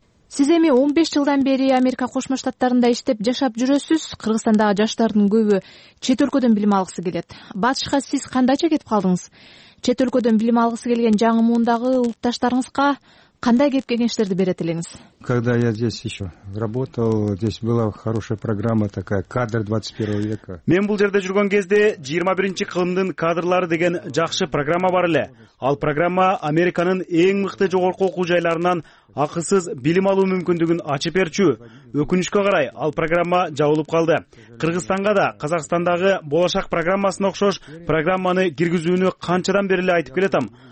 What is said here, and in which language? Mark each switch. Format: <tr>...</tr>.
<ky>Сиз эми 15 жылдан бери Америка Кошмо Штаттарында иштеп жашап жүрөсүз. Кыргызстандагы жаштардын көбү чет өлкөдөн билим алгысы келет. Батышка сиз кандайча кетип калдыңыз? Чет өлкөдөн билим алгысы келген жаңы муундагы улутташтарыңызга кандай кеп кеңештерди берет элеңиз?</ky> <ru>Когда я здесь еще работал, здесь была хорошая программа такая, кадр 21 века.</ru> <ky>Мен бул жерде жүргөн кезде 21-чи кылымдын кадрлары деген жакшы программа бар эле. Ал программа Американын эң мыкты жогорку окуу жайларынан акысыз билим алуу мүмкүндүгүн ачып берчү. Өкүнүчкө карай, ал программа жабылып калды. Кыргызстанга да Казакстандагы болошак программасына окшош программаны киргизүүнү канчадан бери эле айтып келетам.</ky>